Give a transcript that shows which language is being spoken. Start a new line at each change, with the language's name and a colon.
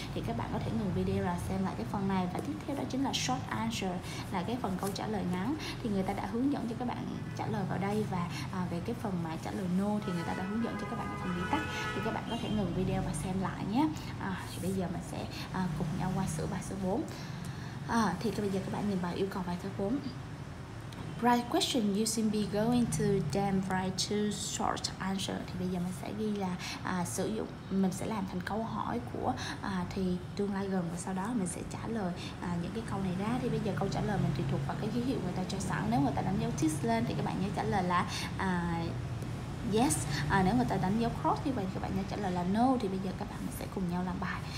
Vietnamese: Thì các bạn có thể ngừng video và xem lại cái phần này. Và tiếp theo đó chính là
English: short answer,
Vietnamese: là cái phần câu trả lời ngắn. Thì người ta đã hướng dẫn cho các bạn trả lời vào đây. Và về cái phần mà trả lời no thì người ta đã hướng dẫn cho các bạn cái phần ghi tắt. Thì các bạn có thể ngừng video và xem lại nhé. Thì bây giờ mình sẽ cùng nhau qua sửa bài số 4. Thì bây giờ các bạn nhìn bài yêu cầu bài số 4.
English: Write question using be going to then write two short answer.
Vietnamese: Thì bây giờ mình sẽ ghi là sử dụng, mình sẽ làm thành câu hỏi của thì tương lai gần, và sau đó mình sẽ trả lời những cái câu này ra. Thì bây giờ câu trả lời mình tùy thuộc vào cái ký hiệu người ta cho sẵn. Nếu người ta đánh dấu tick lên thì các bạn nhớ trả lời là yes. Nếu người ta đánh dấu cross như vậy thì các bạn nhớ trả lời là no. Thì bây giờ các bạn sẽ cùng nhau làm bài.